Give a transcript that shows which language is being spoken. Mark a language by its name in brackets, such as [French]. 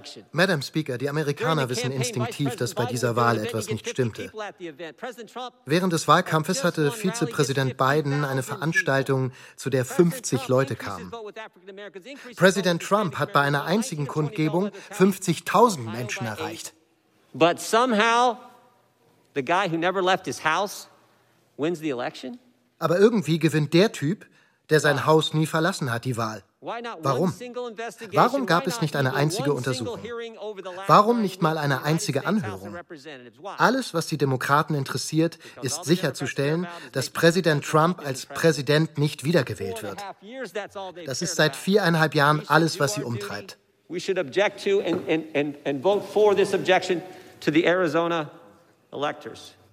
[German] Madam Speaker, die Amerikaner wissen instinktiv, dass bei dieser Wahl etwas nicht stimmte. Während des Wahlkampfes hatte Vizepräsident Biden eine Veranstaltung, zu der 50 Leute kamen. Präsident Trump hat bei einer einzigen Kundgebung 50.000 Menschen erreicht. [English] But somehow, the guy who never left his house wins the election? [German] Aber irgendwie gewinnt der Typ, der sein Haus nie verlassen hat, die Wahl. Warum? Warum gab es nicht eine einzige Untersuchung? Warum nicht mal eine einzige Anhörung? Alles, was die Demokraten interessiert, ist sicherzustellen, dass Präsident Trump als Präsident nicht wiedergewählt wird. Das ist seit 4,5 Jahren alles, was sie umtreibt. [English] We should object to and vote for this objection to the Arizona electors.